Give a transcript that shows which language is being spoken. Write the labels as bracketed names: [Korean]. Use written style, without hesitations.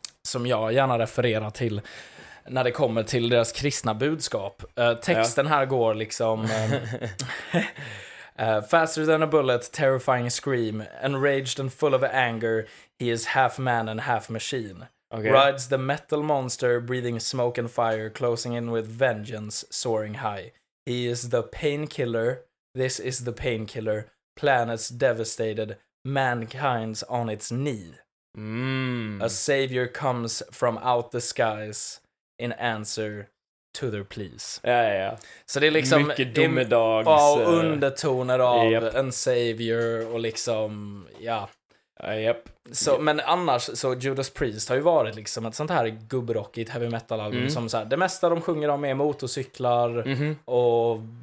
[Swedish] Som jag gärna refererar till. När det kommer till deras kristna budskap. Texten här går liksom... [English] faster than a bullet, terrifying scream. Enraged and full of anger. He is half man and half machine. Okay. Rides the metal monster, breathing smoke and fire. Closing in with vengeance, soaring high. He is the painkiller. This is the painkiller. Planets devastated. Mankind's on its knee. Mm. A savior comes from out the skies. In answer to their pleas. [Swedish] Ja, ja, ja. Så det är liksom... Mycket domedags... Undertoner av en savior och liksom... Ja. Japp. [English] Yep. [Swedish] Men annars, så Judas Priest har ju varit liksom ett sånt här gubbrockigt heavy metal-album som så här... Det mesta de sjunger om är motorcyklar och...